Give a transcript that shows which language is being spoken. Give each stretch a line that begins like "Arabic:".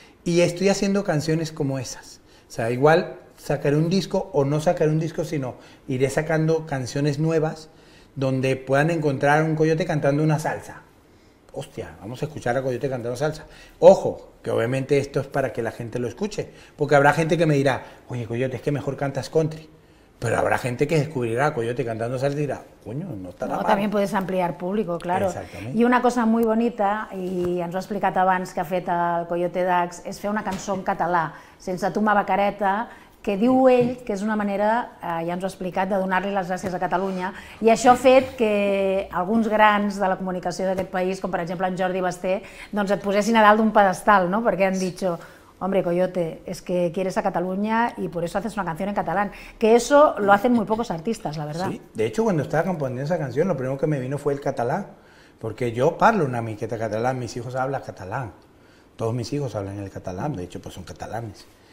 Spanish: Y estoy haciendo canciones como esas. O sea, igual sacaré un disco o no sacaré un disco, sino iré sacando canciones nuevas donde puedan encontrar un Coyote cantando una salsa. Hostia, vamos a escuchar a Coyote cantando salsa. Ojo, que obviamente esto es para que la gente lo escuche, porque habrá gente que me dirá, oye, Coyote, es que mejor cantas country. Pero habrá gente que descubrirá a Coyote cantando salsa y dirá, coño, no está nada mal. También puedes ampliar público, claro. Exactamente. Y una cosa muy bonita,
Catalan: y ens ho ha explicat abans que ha fet el Coyote Dax, és fer una cançó en català, Sense tu, ma vacareta, que diu ell que és una manera, ja ens ho ha explicat, de donar-li les gràcies a Catalunya, i això ha fet que alguns grans de la comunicació d'aquest país, com per exemple en Jordi Basté, doncs et posessin a dalt d'un pedestal, no? Perquè han dit,
Spanish: hombre, Coyote, es que quieres a Catalunya y por eso haces una canción en catalán. Que eso lo hacen muy pocos artistas, la verdad. Sí, de hecho, cuando estaba componiendo esa canción, lo primero que me vino fue el catalán, porque yo
Catalan: parlo una miqueta
Spanish: catalán, mis hijos hablan catalán, todos mis hijos hablan el catalán, de hecho, pues son catalanes.